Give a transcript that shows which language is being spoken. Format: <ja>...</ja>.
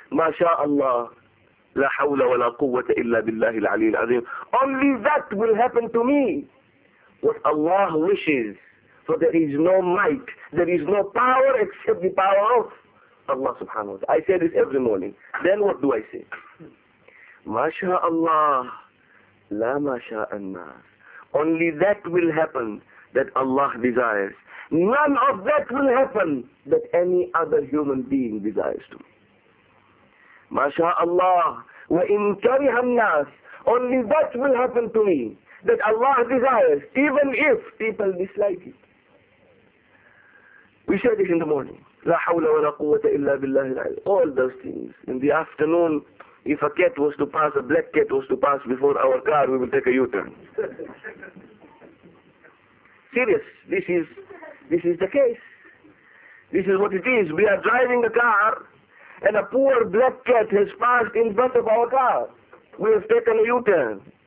<ar>مَا شَاءَ اللَّهُ لا حول ولا قوة إلا بالله العلي العظيم.</ar> <en>Only that will happen to me. What Allah wishes. For there is no might, there is no power except the power of Allah subhanahu wa ta'ala. I say this every morning. Then what do I say?</en> <ar>ما شاء الله لا ما شاء الناس.</ar> <en>Only that will happen that Allah desires. None of that will happen that any other human being desires to me.</en> <ar>ما شاء الله وإن كره الناس.</ar> <en>Only that will happen to me that Allah desires, even if people dislike it. We say this in the morning.</en> <ar>لا حول ولا قوة إلا بالله العلي.</ar> <en>All those things. In the afternoon, if a cat was to pass, a black cat was to pass before our car, we will take a U-turn. Serious. This is the case. This is what it is. We are driving a car, and a poor black cat has passed in front of our car. We have taken a U-turn.</en>